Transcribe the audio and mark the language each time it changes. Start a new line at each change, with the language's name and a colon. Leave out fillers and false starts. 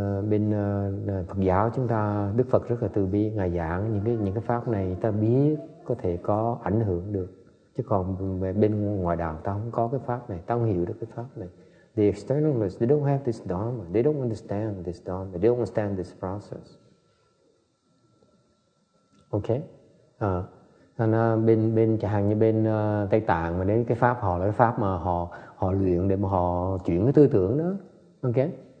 Vietnamese: Bên Phật giáo chúng ta, Đức Phật rất là từ bi, Ngài giảng những cái pháp này ta biết có thể có ảnh hưởng được. Chứ còn bên ngoài đạo ta không có cái pháp này, ta không hiểu được cái pháp này.
English: The externalists, they don't have this dharma, they don't understand this dharma, they don't understand this process. Okay?
Vietnamese: Nên bên chẳng hạn như bên Tây Tạng mà đến cái pháp họ là cái pháp mà họ luyện để mà họ chuyển cái tư tưởng đó. Okay?